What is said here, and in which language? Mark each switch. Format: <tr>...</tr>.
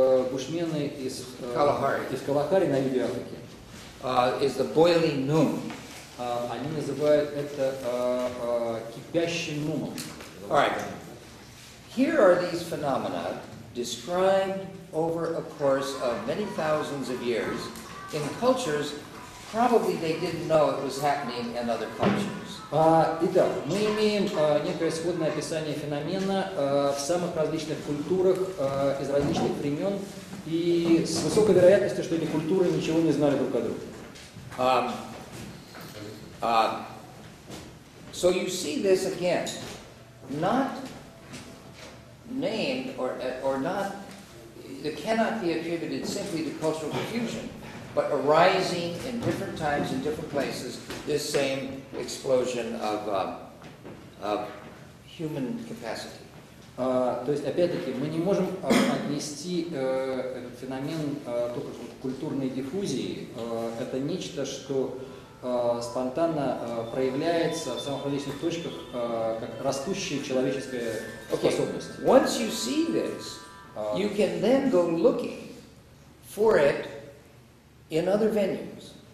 <ru>Бушмены из Калахари, на юге Африки.</ru> <en>Is the boiling noon.</en> <ru>Они называют это кипящим нумом.</ru> <en>Alright. Here are these phenomena described over a course of many thousands of years in cultures probably they didn't know it was happening in other cultures.</en> <ru>Итак, мы имеем некое сходное описание феномена в самых различных культурах из различных времен и с высокой вероятностью, что эти культуры ничего не знали друг о друге.</ru> <en>So you see this again, not named or not, it cannot be attributed simply to cultural diffusion, but arising in different times in different places, this same explosion of human capacity.</en> <ru>То есть опять-таки мы не можем отнести этот феномен только к культурной диффузии. Это нечто, что спонтанно проявляется в самых различных точках как растущая человеческая способность.</ru> <en>Okay. Once you see this, you can then go looking for it in other venues.</en>